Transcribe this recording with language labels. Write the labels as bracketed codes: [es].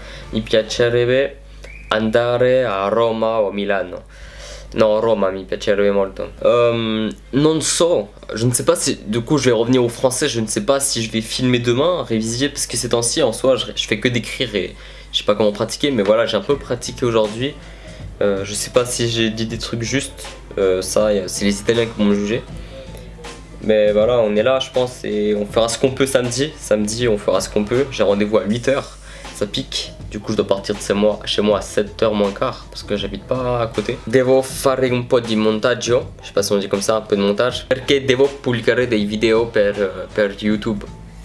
[it] Mi piacerebbe andare a Roma o Milano. No, Roma mi piacerebbe molto. Non so, [fr] je ne sais pas si, du coup je vais revenir au français, je ne sais pas si je vais filmer demain, réviser, parce que ces temps-ci en soi je fais que d'écrire et je sais pas comment pratiquer, mais voilà, j'ai un peu pratiqué aujourd'hui. Je sais pas si j'ai dit des trucs justes, ça c'est les Italiens qui vont me juger. Mais voilà, on est là, je pense, et on fera ce qu'on peut samedi, on fera ce qu'on peut. J'ai rendez-vous à 8h, ça pique. Du coup, je dois partir de chez moi à 7h moins quart, parce que j'habite pas à côté. [it] Devo fare un po' di montaggio, [fr] je sais pas si on dit comme ça, un peu de montage. [it] Perché devo pubblicare dei video per YouTube.